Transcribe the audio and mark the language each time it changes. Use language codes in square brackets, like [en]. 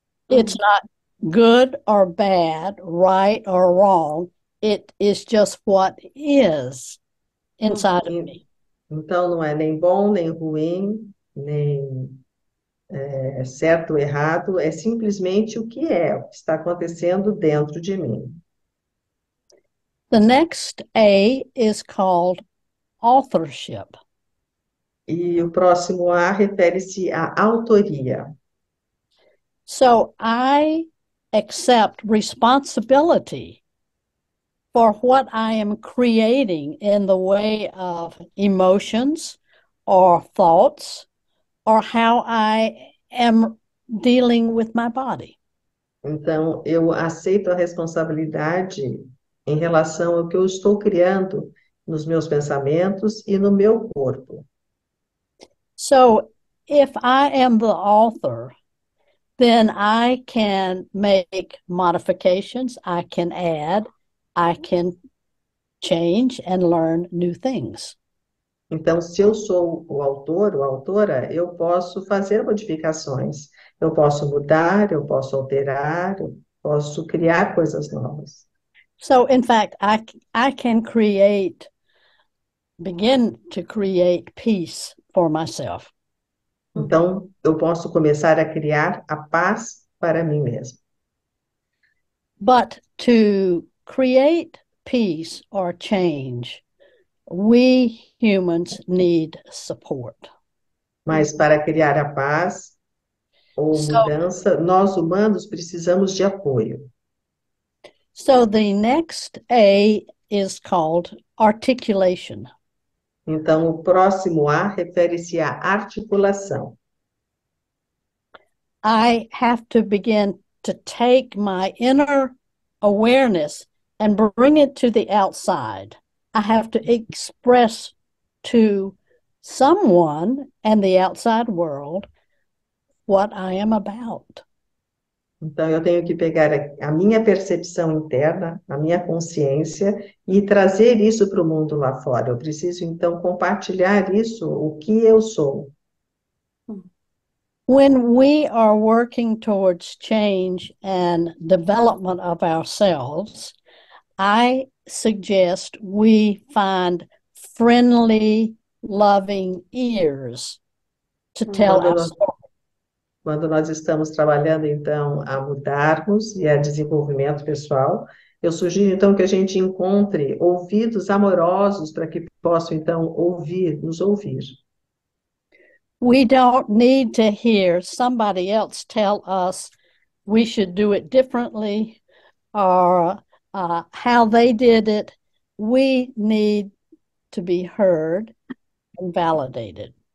[en] It's not good or bad, right or wrong. It is just what is inside of me. [pt] Então, não é nem bom, nem ruim, nem certo ou errado, é simplesmente o que é, o que está acontecendo dentro de mim. [en] The next A is called authorship. [pt] E o próximo A refere-se à autoria. [en] So I accept responsibility for what I am creating in the way of emotions or thoughts or how I am dealing with my body. [pt] Então, eu aceito a responsabilidade em relação ao que eu estou criando nos meus pensamentos e no meu corpo. [en] So, if I am the author, then I can make modifications, I can add, I can change and learn new things. [pt] Então, se eu sou o autor ou a autora, eu posso fazer modificações. Eu posso mudar, eu posso alterar, eu posso criar coisas novas. [en] So, in fact, I can create, begin to create peace for myself. [pt] Então, eu posso começar a criar a paz para mim mesmo. [en] But to create peace or change, we humans need support. [pt] Mas para criar a paz ou mudança, nós humanos precisamos de apoio. [en] So the next A is called articulation. [pt] Então, o próximo A refere-se à articulação. [en] I have to begin to take my inner awareness and bring it to the outside. I have to express to someone and the outside world what I am about. [pt] Então, eu tenho que pegar a minha percepção interna, a minha consciência, e trazer isso para o mundo lá fora. Eu preciso, então, compartilhar isso, o que eu sou. [en] When we are working towards change and development of ourselves, I suggest we find friendly, loving ears to tell our story. [pt] Quando nós estamos trabalhando, então, a mudarmos e a desenvolvimento pessoal, eu sugiro, então, que a gente encontre ouvidos amorosos para que possam, então, ouvir, nos ouvir. [en] We don't need to hear somebody else tell us we should do it differently or how they did it. We need to be heard and validated.